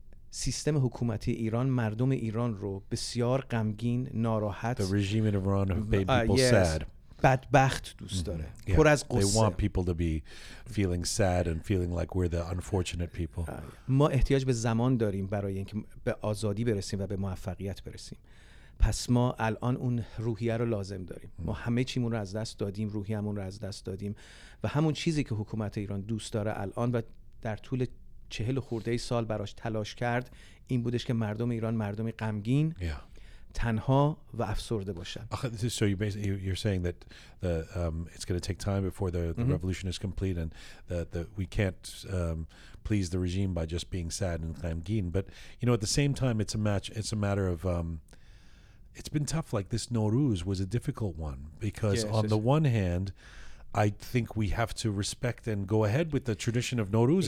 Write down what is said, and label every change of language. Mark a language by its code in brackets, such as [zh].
[fa] سیستم حکومتی ایران مردم ایران رو بسیار غمگین ناراحت [en] The regime in Iran have made people sad. [fa] بدبخت دوست داره. Yeah. پر از قصه. [en] They want people to be feeling sad and feeling like we're the unfortunate people. [fa] ما احتیاج به زمان داریم برای اینکه به آزادی برسیم و به موفقیت برسیم. پس ما الان اون روحیه رو لازم داریم. ما همه چیمون رو از دست دادیم، روحیه‌مون رو از دست دادیم و همون چیزی که حکومت ایران دوست داره الان و در طول 40 خورده سال براش تلاش کرد این بودش که مردم ایران مردمی غمگین تنها و افسرده باشن. [en] So you're saying that it's going to take time before the revolution is complete and that we can't please the regime by just being sad and غمگین. But you know, at the same time, it's a matter of it's been tough. Like this Nowruz was a difficult one because the one hand, I think we have to respect and go ahead with the tradition of Nowruz.